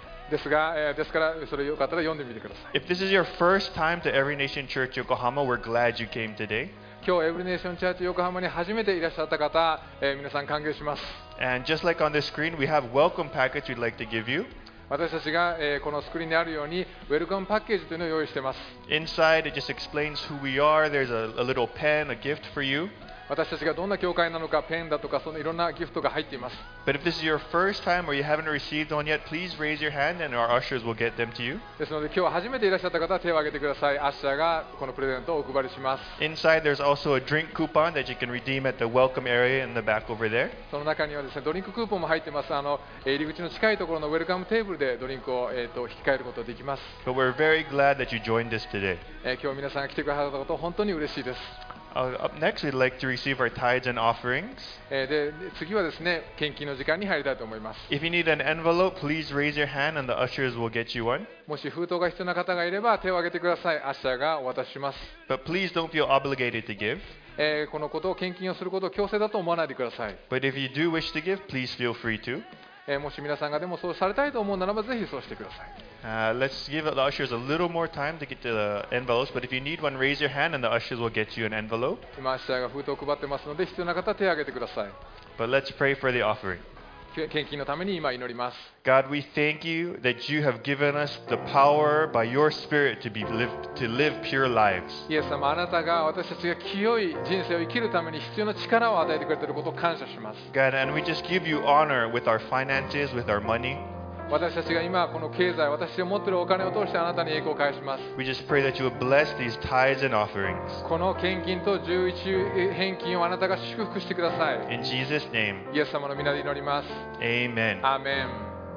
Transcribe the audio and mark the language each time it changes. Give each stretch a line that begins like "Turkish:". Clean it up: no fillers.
Japanese: ですからそれよかったら読んでみてください。
English: If this is your first time to Every Nation Church Yokohama, we're glad you came today.
Japanese: 今日 Every Nation Church Yokohama に初めていらっしゃった方、皆さん歓迎します。
English: And just like on the screen, we have welcome package we'd like to give you.
Japanese: 私たちが、このスクリーンにあるようにウェルカムパッケージというのを用意しています。
English: Inside it just explains who we are. There's a little pen, a gift for you.
Japanese: 私たちがどんな教会なのか、ペンだとか、そのいろんなギフトが入っています。
English: But if this is your first time or you haven't received one yet, please raise your hand and our ushers will get them to you.
Japanese: ですので、今日初めていらっしゃった方は手を挙げてください。アッシャーがこのプレゼントをお配りします。
English: Inside, there's also a drink coupon that you can redeem at the welcome area in the back over there.
Japanese: その中にはですね、ドリンククーポンも入っています。入り口の近いところのウェルカムテーブルでドリンクを、引き換えることができます。
English: But we're very glad that you joined us today.
Japanese: 今日皆さんが来てくださったこと、本当に嬉しいです。
English: Up next, we'd like to receive our tithes and offerings.
Japanese: で、次はですね、献金の時間に入りたいと思います。
English: If you need an envelope, please raise your hand and the ushers will get you one.
Japanese: もし封筒が必要な方がいれば手を挙げてください。アッシャーがお渡しします。
English: But please don't feel obligated to give.
Japanese: このことを献金をすることを強制だと思わないでください。
English: But if you do wish to give, please feel free to.
Japanese: もし皆さんがでもそうされたいと思うならば、ぜひそうしてください。
English: Let's give the ushers a little more time to get the envelopes. But if you need one, raise your hand, and the ushers will get you an envelope.
Japanese: 今、アッシャーが封筒を配ってますので、必要な方は手を挙げてください。
English: But let's pray for the offering.
Japanese: 献金のために今祈ります。
English: God, we thank you that you have given us the power by your Spirit to live pure lives.
Japanese: イエス様、あなたが私たちが清い人生を生きるために必要な力を与えてくれていることを感謝します。
English: God, and we just give you honor with our finances, with our money.
Japanese: 私たちが今この経済、私が持っているお金を通してあなたに栄光を返します。
English: We just pray that you would bless these tithes and offerings.
Japanese: この献金と十一返金をあなたが祝福してください。
English: In Jesus' name.
Japanese: イエス様の皆で祈ります。
English: Amen. Amen.